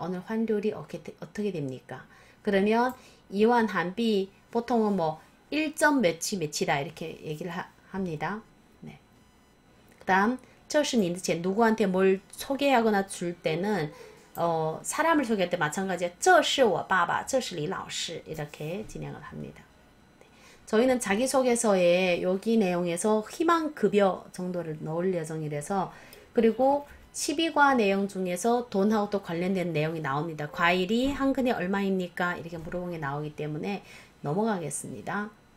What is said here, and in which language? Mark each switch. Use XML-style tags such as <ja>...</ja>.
<ko>오늘 환율이 어떻게 됩니까? 그러면 이완 한비 보통은 뭐 1점 몇치 몇이다 이렇게 얘기를 합니다. 그다음</ko> <zh>这是您的钱</zh> <ko>누구한테 뭘 소개하거나 줄 때는 사람을 소개할 때 마찬가지예요.</ko> <zh>这是我爸爸，这是李老师</zh> <ko>이렇게 진행을 합니다. 저희는 자기소개서에 여기 내용에서 희망급여 정도를 넣을 예정이라서, 그리고 12과 내용 중에서 돈하고 또 관련된 내용이 나옵니다. 과일이 한 근에 얼마입니까? 이렇게 물어본 게 나오기 때문에 넘어가겠습니다.</ko>